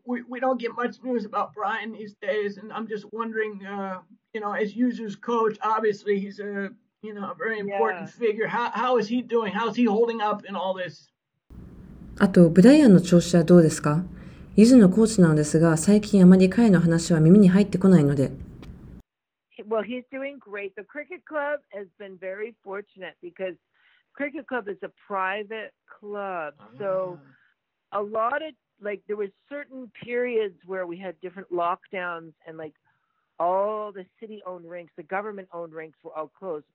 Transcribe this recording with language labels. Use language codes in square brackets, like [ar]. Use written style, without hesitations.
[en] We don't get much news about Brian these days, and I'm just wondering, you know, as user's coach, obviously he's a, you know, a very important figure. How is he doing? How's he holding up in all this? [ja] あと、ブライアンの調子はどうですか？ユズのコーチなのですが、最近あまり彼の話は耳に入ってこないので。 [en] Well, he's doing great. The cricket club has been very fortunate because cricket club is a private club. So a lot of, like, there were certain periods where we had different lockdowns and, like, all the city-owned rinks, the government-owned rinks were all closed.